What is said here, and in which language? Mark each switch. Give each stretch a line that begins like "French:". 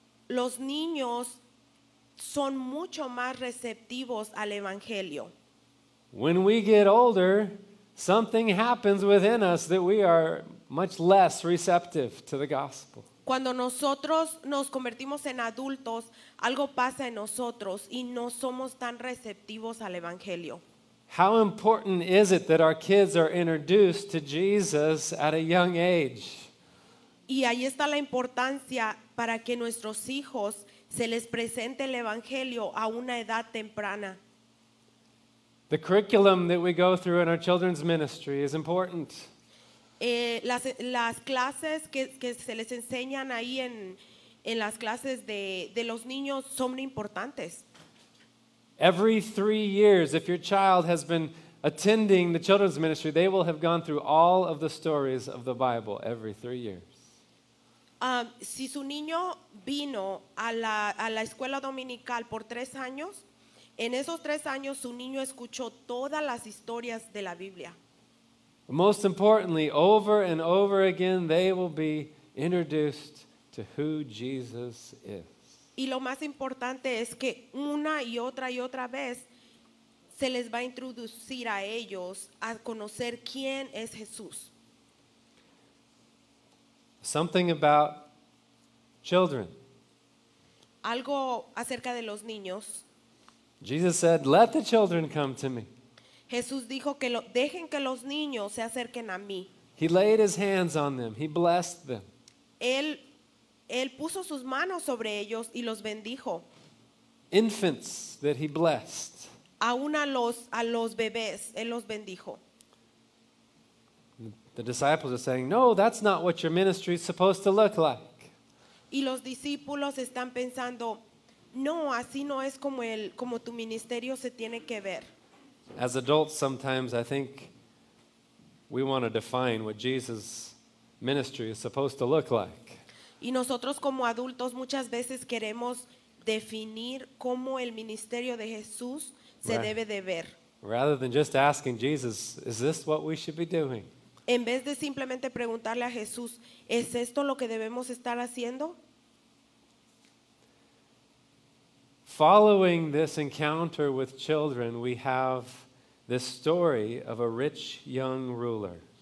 Spanish: Los niños son mucho más receptivos al evangelio.
English: When we get older, something happens within us that we are much less receptive to the gospel.
Spanish: Cuando nosotros nos convertimos en adultos, algo pasa en nosotros y no somos tan receptivos al evangelio.
English: How important is it that our kids are introduced to Jesus at a young age?
Spanish: Y ahí está la importancia para que nuestros hijos se les presente el evangelio a una edad temprana.
English: The curriculum that we go through in our children's ministry is important.
Spanish: Las clases que se les enseñan ahí en las clases de los niños son importantes.
English: Every 3 years, if your child has been attending the children's ministry, they will have gone through all of the stories of the Bible every 3 years.
Spanish: Si su niño vino a la escuela dominical por 3 años, en esos 3 años su niño escuchó todas las historias de la Biblia.
English: Most importantly, over and over again, they will be introduced to who Jesus is.
Spanish: Y lo más importante es que una y otra vez se les va a introducir a ellos a conocer quién es Jesús.
English: Something about children.
Spanish: Algo acerca de los niños.
English: Jesus said, "Let the children come to me."
Spanish: Jesús dijo que lo dejen que los niños se acerquen a mí.
English: He laid his hands on them. He blessed them.
Spanish: Él puso sus manos sobre ellos y los bendijo.
English: Infants that he blessed.
Spanish: Aún a los bebés, él los bendijo.
English: The disciples are saying, "No, that's not what your ministry is supposed to look like."
Spanish: Y los discípulos están pensando, "No, así no es como tu ministerio se tiene que ver."
English: As adults, sometimes I think we want to define what Jesus' ministry is supposed to look like.
Spanish: Y nosotros como adultos muchas veces queremos definir cómo el ministerio de Jesús se debe de ver.
English: Rather than just asking Jesus, "Is this what we should be doing?"
Spanish: En vez de simplemente preguntarle a Jesús, ¿es esto lo que debemos estar haciendo?
English: Following this encounter with children, we have this story of a rich young ruler.